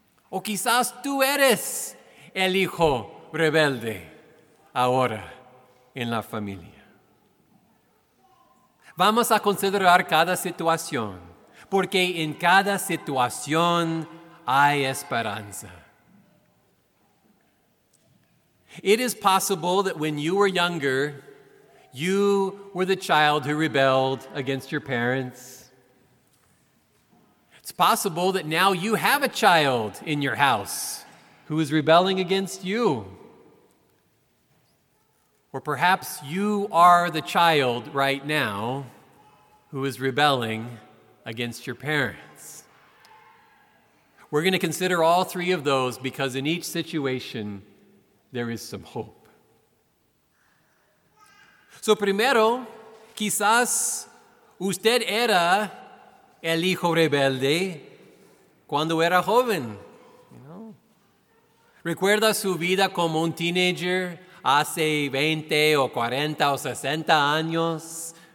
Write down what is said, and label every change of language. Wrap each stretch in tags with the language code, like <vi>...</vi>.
<es>O quizás tú eres el hijo rebelde ahora en la familia. Vamos a considerar cada situación, porque en cada situación hay esperanza.</es> <en>It is possible that when you were younger, you were the child who rebelled against your parents. It's possible that now you have a child in your house who is rebelling against you. Or perhaps you are the child right now who is rebelling against your parents. We're going to consider all three of those because in each situation, there is some hope.</en> <es>So primero, quizás usted era el hijo rebelde cuando era joven. ¿Recuerda su vida como un teenager hace 20 o 40 o 60 años?</es>